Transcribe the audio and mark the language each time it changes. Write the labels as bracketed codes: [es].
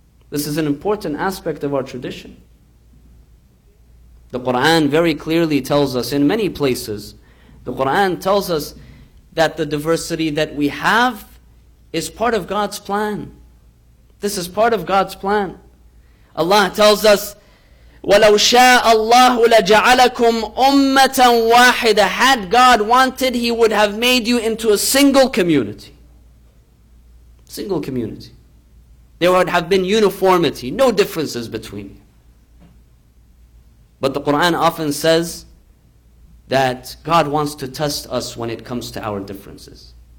[en] This is an important aspect of our tradition. The Quran very clearly tells us in many places, the Quran tells us that the diversity that we have is part of God's plan. This is part of God's plan. Allah tells us, [ar] وَلَوْ شَاءَ اللَّهُ لَجَعَلَكُمْ أُمَّةً وَاحِدَةً. [en] Had God wanted, He would have made you into a single community. Single community. There would have been uniformity, no differences between you. But the Quran often says that God wants to test us when it comes to our differences.